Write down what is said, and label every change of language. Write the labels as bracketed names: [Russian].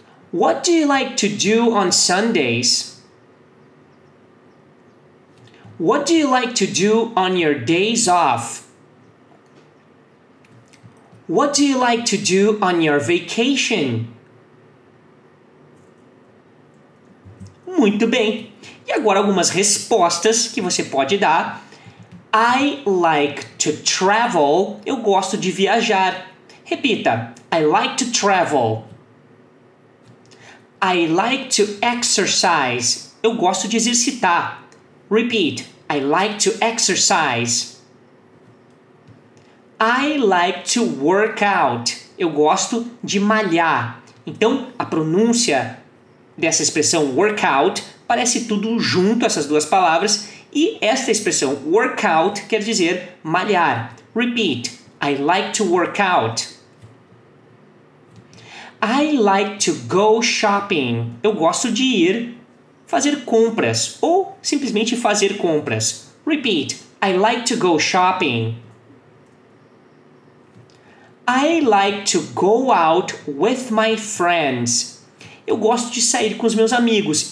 [English] What do you like to do on Sundays? What do you like to do on your days off? What do you like to do on your vacation? [Portuguese] Muito bem. E agora algumas respostas que você pode dar. [English] I like to travel. [Portuguese] Eu gosto de viajar. Repita. [English] I like to travel. I like to exercise. [Portuguese] Eu gosto de exercitar. [English] Repeat. I like to exercise. I like to work out. [Portuguese] Eu gosto de malhar. Então, a pronúncia dessa expressão work out parece tudo junto, essas duas palavras. E esta expressão work out quer dizer malhar. [English] Repeat. I like to work out. I like to go shopping. [Portuguese] Eu gosto de ir fazer compras ou simplesmente fazer compras. [English] Repeat. I like to go shopping. I like to go out with my friends. [Portuguese] Eu gosto de sair com os meus amigos.